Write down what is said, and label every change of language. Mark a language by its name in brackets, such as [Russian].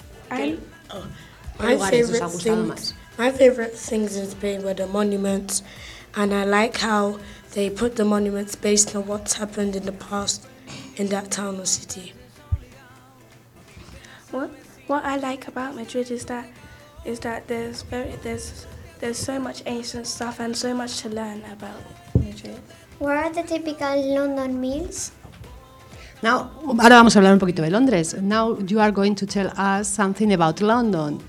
[English] My favorite things in Spain were the monuments, and I like how they put the monuments based on what's happened in the past in that town or city. What I like about Madrid is that there's so much ancient stuff and so much to learn about Madrid. What are the typical London meals? [Spanish] Ahora vamos a hablar un poquito de Londres. [English] Now you are going to tell us something about London.